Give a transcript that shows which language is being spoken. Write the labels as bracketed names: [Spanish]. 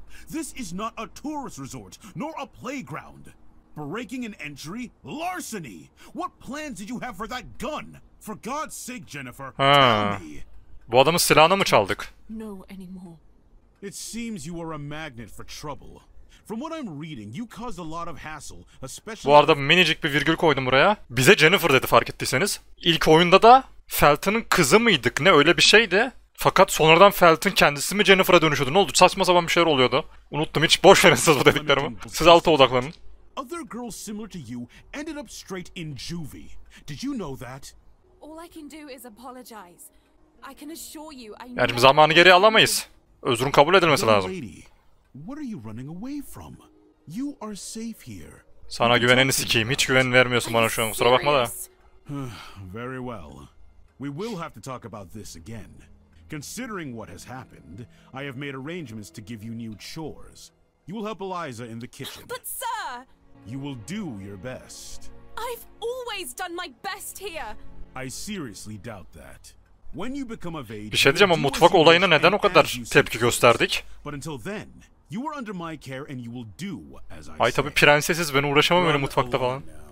[English] This is not a tourist resort, nor a playground. Breaking an entry? Larceny! What plans did you have for that gun? For God's sake, [Turkish] Jennifer, Bu adamın silahını mı çaldık? [English] No anymore. It seems you are a magnet for trouble. From what I'm reading, you caused a lot of hassle, especially... [Turkish] Bu arada minicik bir virgül koydum buraya. Bize Jennifer dedi fark ettiyseniz. İlk oyunda da Felton'un kızı mıydık ne öyle bir şeydi. Fakat sonradan Felton kendisi mi Jennifer'a dönüşüyordu? Ne oldu? Saçma sapan bir şeyler oluyordu. Unuttum, hiç boş verin siz bu dediklerimi. Siz alta odaklanın. [English] Other girls similar to you ended up straight in juvie. Did you know that? All I can do is apologize. I can assure you I know. [Turkish] Yani zamanı geri alamayız. Özrün kabul edilmesi lazım. [English] What are you running away from? You are safe here. [Turkish] Sana güveneni sikeyim. Hiç güven vermiyorsun bana şu an. Kusura bakma da. [English] Very well. We will have to talk about this again. Considering what has happened, I have made arrangements to give you new chores. You will help Eliza in the kitchen. But sir, you will do your best. I've always done my best here. I seriously doubt that. When you become of age, [Turkish] bir şey diyeceğim ama mutfak olayına neden o kadar tepki gösterdik? [English] But until then, you are under my care and you will do as I say. [Turkish] Ay tabii prensesiz, ben uğraşamam öyle mutfakta falan.